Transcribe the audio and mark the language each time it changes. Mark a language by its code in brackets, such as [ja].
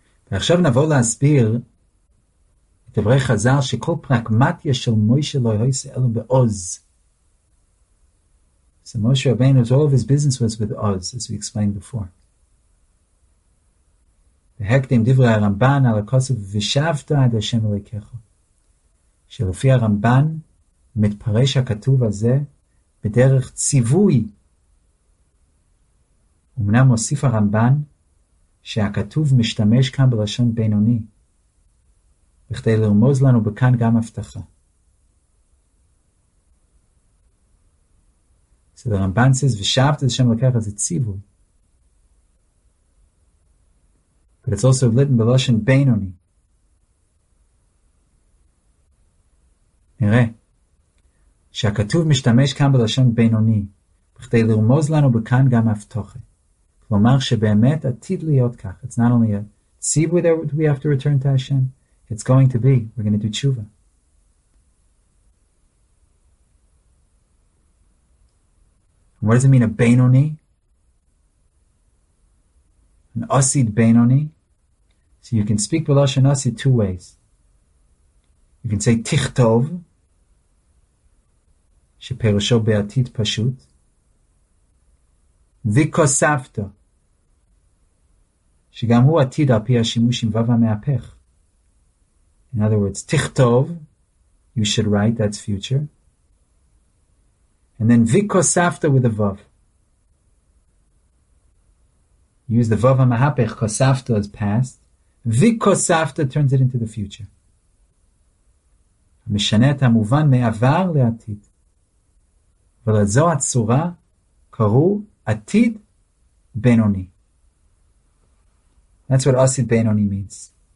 [he] ועכשיו נבוא להסביר את דברי חז"ל שכל פרגמטיה של מוישה לא יעשה אלו בעוז. [en] So Moshe Rabbeinu, all of his business was with Oz, as we explained before. [he] והקדם דברי הרמב"ן על הכוסף ושבת עד השם אלוקיך. שלפי הרמב"ן מתפרש הכתוב הזה בדרך ציווי. אמנם מוסיף הרמב"ן שהכתוב משתמש כאן בלשון בינוני, בכדי לרמוז לנו בכאן גם הבטחה. [en] So the Ramban says, [he] ושבת את השם לקח את זה ציווי. [en] But it's also written בלשון בינוני. [he] נראה, שהכתוב משתמש כאן בלשון בינוני, בכדי לרמוז לנו בכאן גם הבטחה. כלומר שבאמת עתיד להיות כך. [en] It's not only a tzivui that we have to return to Hashem. It's going to be. We're going to do tshuva. What does it mean, a beinoni? An osid beinoni? So you can speak b'lash and osid two ways. You can say [he] tichtov, sheperosho be'atid pashut, vikosavto, שגם הוא עתיד על פי השימוש עם וו המהפך. [en] In other words, תכתוב, you should write, that's future. And then וכוספת with the וו. Use the וו המהפך, כוספת as past. וכוספת turns it into the future. [he] משנה את המובן מעבר לעתיד. ולזו הצורה קראו עתיד בינוני. [en] That's what Asid Beinoni means.